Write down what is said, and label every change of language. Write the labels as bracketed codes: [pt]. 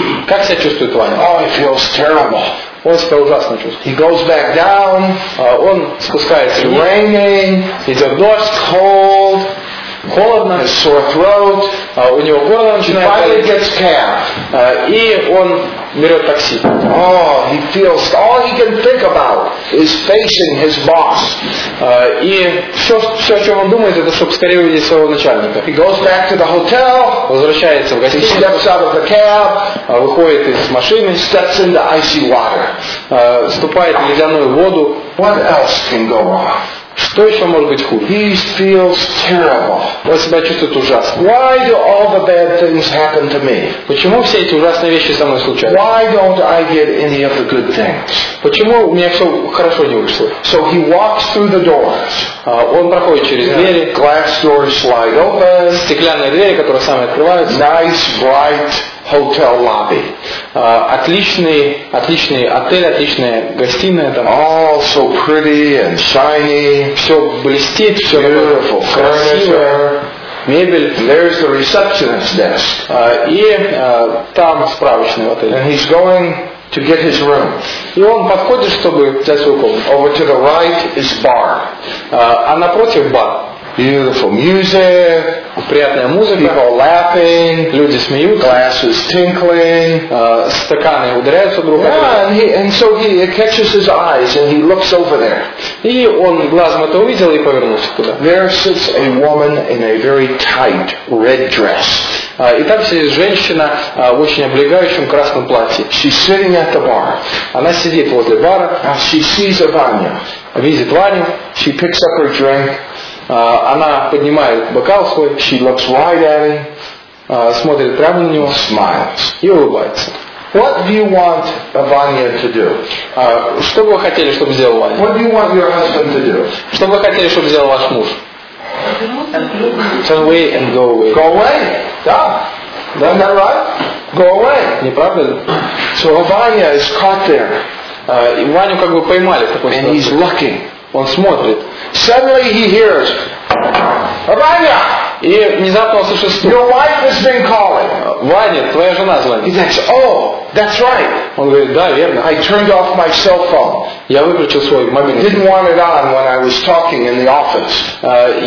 [ru] Как себя чувствует Ваня? [en] "Oh, he feels terrible." [ru] Он себя ужасно чувствует. [en] "He goes back down." [ru] Он спускается. [en] "It's raining." [ru] Идет дождь. [en] "Cold." [ru] Холодно. [en] His sore throat. [ru] У него горло начинает болеть. [en] He finally gets cab. [ru] И он берет такси. [en] "Oh, he feels, all he can think about is facing his boss." [ru] И все, о чем он думает, это чтобы скорее увидеть своего начальника. [en] He goes back to the hotel. [ru] Возвращается в гостиницу. [en] He steps out of the cab. [ru] Выходит из машины. [en] Steps into icy water. [ru] Ступает в ледяную воду. [en] What else can go wrong? [ru] Что еще может быть хуже? [en] He feels terrible. [ru] Он себя чувствует ужасно. [en] Why do all the bad things happen to me? [ru] Почему все эти ужасные вещи со мной случаются? [en] Why don't I get any of the good things? [ru] Почему у меня все хорошо не вышло? [en] So he walks through the doors. [ru] Он проходит через двери. [en] Glass doors slide open. [ru] Стеклянные двери, которые сами открываются. [en] Nice bright hotel lobby. [ru] Отличный отель, отличная гостиная там. [en] All so pretty and shiny. [ru] Все блестит, все [en] beautiful, [ru] красиво. Мебель. [en] And there's the receptionist desk. [ru] Там справочный отель. [en] And he's going to get his room. [ru] И он подходит, чтобы взять свою комнату. [en] Over to the right is bar. [ru] А напротив бар. [en] Beautiful music. [ru] Приятная музыка. [en] People laughing. [ru] Люди смеются. [en] Glasses tinkling. [ru] Стаканы ударяются друг yeah, от друга. [en] And so he catches his eyes and he looks over there. [ru] И он глазом это увидел и повернулся туда. [en] There sits a woman in a very tight red dress. [ru] И там сидит женщина в очень облегающем красном платье. [en] She's sitting at the bar. [ru] Она сидит возле бара. [en] And she sees Ivania. [ru] Видит Ваню. [en] She picks up her drink. [ru] Она поднимает бокал свой. [en] She looks right at him. [ru] Смотрит прямо на него. [en] Smiles. [ru] И улыбается. [en] What do you want Ivania to do? [ru] Что бы вы хотели, чтобы сделал Ваня? [en] What do you want your husband to do? [ru] Что бы вы хотели, чтобы сделал ваш муж? [en] Turn away and go away. Go away. Да. Isn't that right? Go away. [ru] Не правда ли? [en] So Ivania is caught there. [ru] Ваню как бы поймали в такой ситуации. [en] And he's looking. [ru] Он смотрит. [en] Suddenly he hears, "Ivania, [ru] И внезапно услышал стук. [en] Your wife has been calling. [ru] Ваня, твоя жена звонит. [en] He says, oh, that's right. [ru] Он говорит, да, верно. [en] I turned off my cell phone. [ru] Я выключил свой мобильный. [en] Didn't want it on when I was talking in the office.